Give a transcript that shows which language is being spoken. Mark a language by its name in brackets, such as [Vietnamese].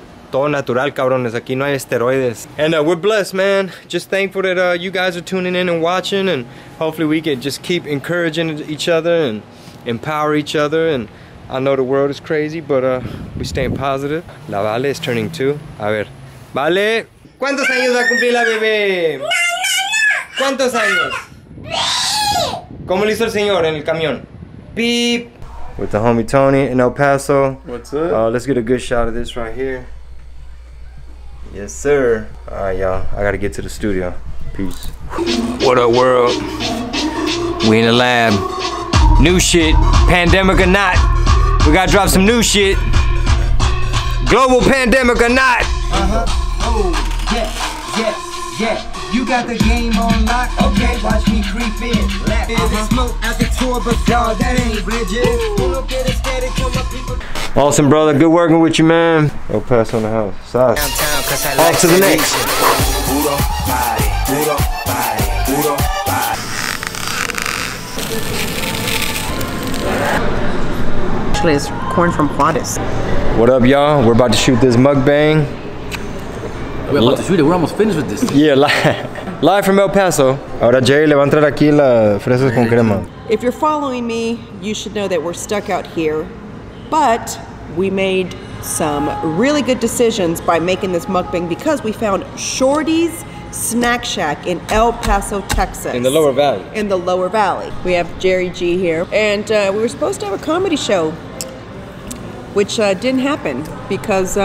[Spanish] Todo natural, cabrones. Aquí no hay esteroides. [English] And we're blessed, man. Just thankful that you guys are tuning in and watching, and hopefully we can just keep encouraging each other and empower each other. And I know the world is crazy, but we staying positive. La Vale is turning two. [Spanish] A ver, Vale, ¿cuántos años va a cumplir la bebé? No. ¿Cuántos años? ¿Cómo le hizo el señor en el camión? [English] Beep. With the homie Tony in El Paso. What's up? Let's get a good shot of this right here. Yes, sir. All right, y'all, I gotta get to the studio. Peace. What up, world? We in the lab. New shit, pandemic or not. We gotta drop some new shit. Global pandemic or not. Uh-huh, oh, yeah, yeah, yeah. You got the game on lock, okay, watch me creep in. Lap is uh-huh. Smoke out the tour, but dog, that ain't rigid. Awesome, brother. Good working with you, man. Yo, pass on the house. Sauce. Off to the next. Actually, it's corn from Juarez. What up, y'all? We're about to shoot this mukbang. We're about to shoot it. We're almost finished with this. Yeah, live from El Paso. [Spanish] Ahora Jay le va a entrar aquí las fresas con crema. [English] If you're following me, you should know that we're stuck out here, but we made some really good decisions by making this mukbang because we found Shorty's Snack Shack in El Paso, Texas. In the Lower Valley. In the Lower Valley. We have Jerry G here, and we were supposed to have a comedy show, which didn't happen because...